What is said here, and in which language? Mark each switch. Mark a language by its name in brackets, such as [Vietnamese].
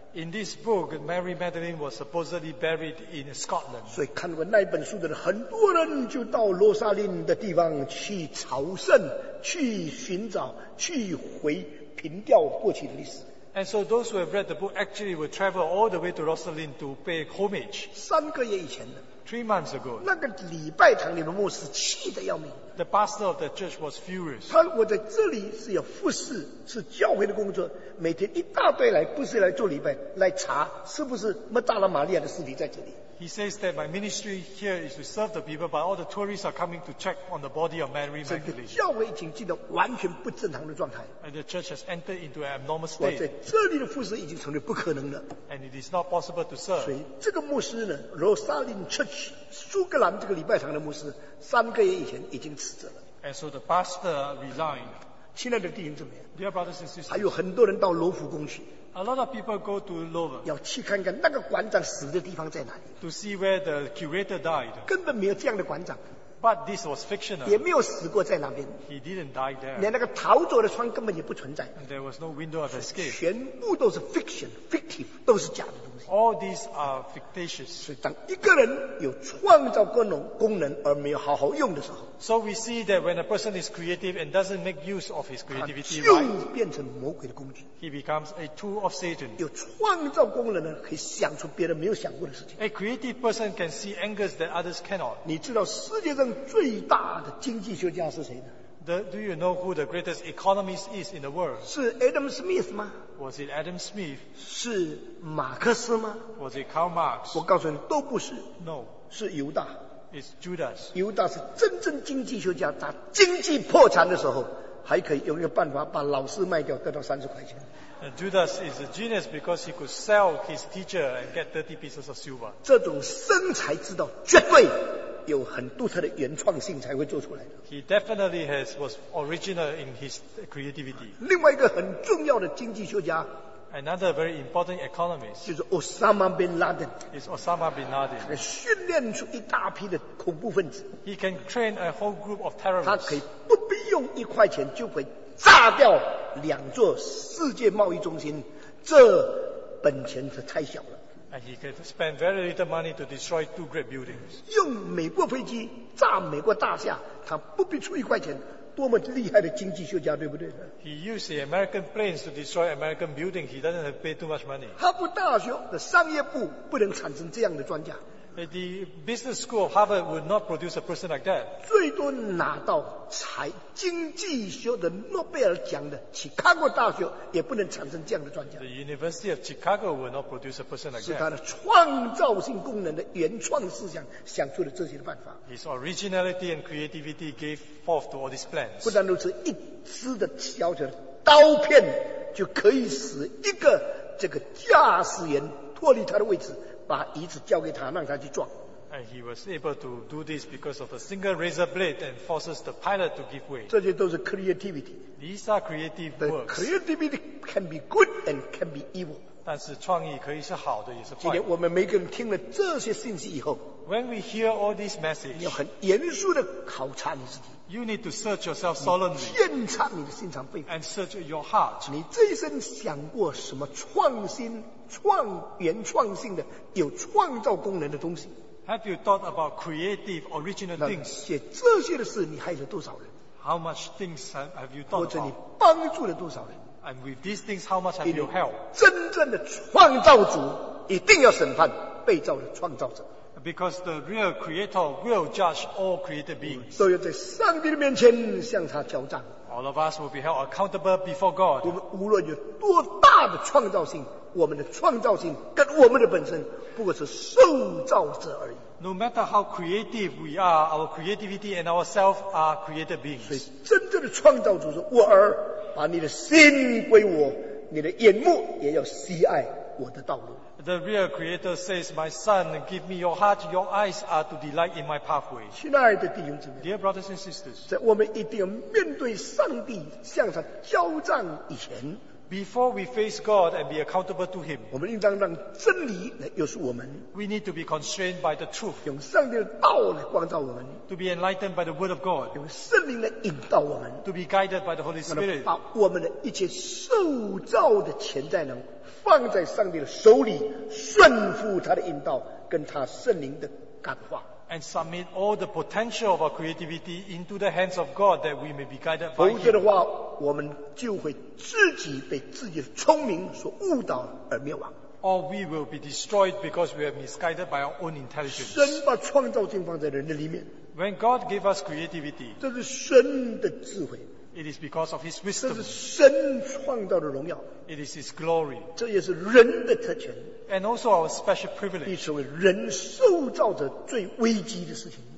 [English] In this book, Mary Magdalene was supposedly buried in Scotland. [Chinese] 所以看过那本书的人，很多人就到罗莎琳的地方去朝圣，去寻找，去回凭吊过去的历史。 [English] And so those who have read the book actually will travel all the way to Rosalind to pay homage. [Chinese] 3个月以前 [English] 3 months ago. [Chinese] 那个礼拜堂里的牧师气得要命。 [English] The pastor of the church was furious. [Chinese] 他我在这里是要服侍，是教会的工作，每天一大堆来，不是来做礼拜，来查是不是麦大娜玛利亚的尸体在这里。 [English] He says that my ministry here is to serve the people, but all the tourists are coming to check on the body of Mary Magdalene. [Chinese] 教会已经进入完全不正常的状态。 [English] And the church has entered into an abnormal state. [Chinese] 我在这里的服侍已经成为不可能了。 [English] And it is not possible to serve. [Chinese] 所以这个牧师呢 ，Rosalind Church， 苏格兰这个礼拜堂的牧师，3个月以前已经辞职了。 [English] And so the pastor resigned. [Chinese] 亲爱的弟兄姊妹 [English] ，Dear brothers and sisters， [Chinese] 还有很多人到罗浮宫去。 [English] A lot of people go to Lover. [Chinese] 要去看看那个馆长死的地方在哪里。 [English] To see where the curator died. [Chinese] 根本没有这样的馆长。 [English] But this was fictional. [Chinese] 也没有死过在那边。 [English] He didn't die there. [Chinese] 连那个逃走的窗根本也不存在。 [English] And there was no window of escape. [Chinese] 全部都是 [English] fiction, fictive, [Chinese] 都是假的东西。 [English] All these are fictitious. [Chinese] 所以当一个人有创造功能而没有好好用的时候。 [English] So we see that when a person is creative and doesn't make use of his creativity, [Chinese] 他就变成魔鬼的工具。 [English] He becomes a tool of Satan. [Chinese] 有创造功能的人可以想出别人没有想过的事情。 [English] A creative person can see angles that others cannot. [Chinese] 你知道世界上最大的经济学家是谁呢？ [English] Do you know who the greatest economist is in the world? [Chinese] 是 Adam Smith 吗？ [English] Was it Adam Smith? [Chinese] 是马克思吗？ [English] Was it Karl Marx? [Chinese] 我告诉你，都不是。 [English] No. [Chinese] 是犹大。 [English] It's Judas. [Chinese] 犹大是真正经济学家，他经济破产的时候，还可以用一个办法把老师卖掉，得到30块钱。 [English] Judas is a genius because he could sell his teacher and get 30 pieces of silver. [Chinese] 这种生财之道绝对有很独特的原创性才会做出来的。 [English] He definitely was original in his creativity. [Chinese] 另外一个很重要的经济学家。 [English] Another very important economist [Chinese] 就是 Osama bin Laden. [English] Is Osama bin Laden. [Chinese] 他训练出一大批的恐怖分子。 [English] He can train a whole group of terrorists. [Chinese] 他可以不必用一块钱就会炸掉两座世界贸易中心，这本钱是太小了。 [English] And he can spend very little money to destroy 2 great buildings. [Chinese] 用美国飞机炸美国大厦，他不必出一块钱。多么厉害的经济学家，对不对 [English] ？He used the American planes to destroy American buildings. He doesn't have to pay too much money. [Chinese] 哈佛大学的商业部不能产生这样的专家。 [English] The business school of Harvard would not produce a person like that. [Chinese] 最多拿到财经济学的诺贝尔奖的，其他国大学也不能产生这样的专家。 [English] The University of Chicago would not produce a person like that. [Chinese] 是他的创造性功能的原创思想想出了这些的办法。 [English] His originality and creativity gave forth to all these plans. [Chinese] 不但如此，一支的小小的刀片就可以使一个这个驾驶员脱离他的位置。把椅子交给他，让他去撞。 [English] And he was able to do this because of a single razor blade and forces the pilot to give way. [Chinese] 这些都是 creativity. [English] These are creative works. The creativity can be good and can be evil. [Chinese] 但是创意可以是好的，也是坏的。今天我们每个人听了这些信息以后 [English] ，When we hear all these messages， [Chinese] 你要很严肃的考察你自己。 [English] You need to search yourself solemnly. [Chinese] 检查你的心肠肺腑。 [English] And search your heart. [Chinese] 你这一生想过什么创新？创原创性的有创造功能的东西。 [English] Have you thought about creative original things? [Chinese] 写这些的事，你害了多少人 [English] ？How much things have you thought about? [Chinese] 或者你帮助了多少人 [English] ？And with these things, how much have you helped? [Chinese] 真正的创造主一定要审判被造的创造者。 [English] Because the real creator will judge all created beings. [Chinese] 都要在上帝的面前向他交账。 [English] All of us will be held accountable before God. [Chinese] 我们无论有多大的创造性。我们的创造性跟我们的本身不过是受造者而已。 [English] No matter how creative we are, our creativity and ourselves are created beings. [Chinese] 所以真正的创造主是我儿，把你的心归我，你的眼目也要喜爱我的道路。 [English] The real creator says, My son, give me your heart, your eyes are to delight in my pathway. [Chinese] 亲爱的弟兄姊妹 [English] Dear brothers and sisters, [Chinese] 在我们一定要面对上帝向他交账以前 [English] Before we face God and be accountable to Him, [Chinese] 我们应当让真理来约束我们。 [English] We need to be constrained by the truth. [Chinese] 用上帝的道来光照我们。 [English] To be enlightened by the Word of God. [Chinese] 用圣灵来引导我们。 [English] To be guided by the Holy Spirit. [Chinese] 把我们的一切受造的潜在能放在上帝的手里，顺服他的引导，跟他圣灵的感化。 [English] And submit all the potential of our creativity into the hands of God that we may be guided by Him. [Chinese] 否则的话，我们就会自己被自己的聪明所误导而灭亡。 [English] Or we will be destroyed because we are misguided by our own intelligence. [Chinese] 神把创造性放在人的里面。 [English] When God gave us creativity, [Chinese] 这是神的智慧。 [English] It is because of His wisdom. [Chinese] 这是神创造的荣耀。 [English] It is His glory. [Chinese] 这也是人的特权。 [English] And also our special privilege. [Chinese] 被称为人受造者最危机的事情。